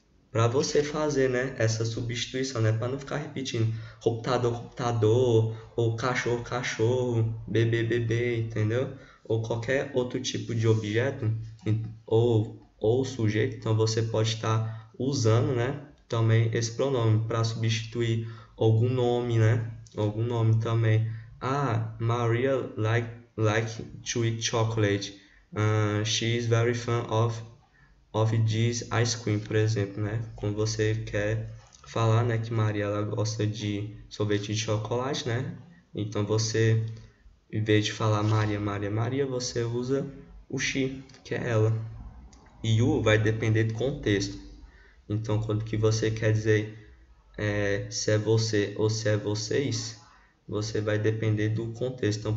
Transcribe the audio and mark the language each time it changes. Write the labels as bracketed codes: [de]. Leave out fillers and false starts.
[pt] Para você fazer, né, essa substituição, né, para não ficar repetindo computador, ou cachorro, cachorro, bebê, bebê, entendeu? Ou qualquer outro tipo de objeto ou sujeito. Então você pode estar usando, né, também esse pronome para substituir algum nome, né? Algum nome também. [en] Ah, Maria like to eat chocolate. She is very fond of this ice cream, [pt] por exemplo, né? Quando você quer falar, né, que Maria ela gosta de sorvete de chocolate, né? Então você, em vez de falar Maria, Maria, Maria, você usa o she, que é ela. E you vai depender do contexto. Então, quando que você quer dizer se é você ou se é vocês, você vai depender do contexto.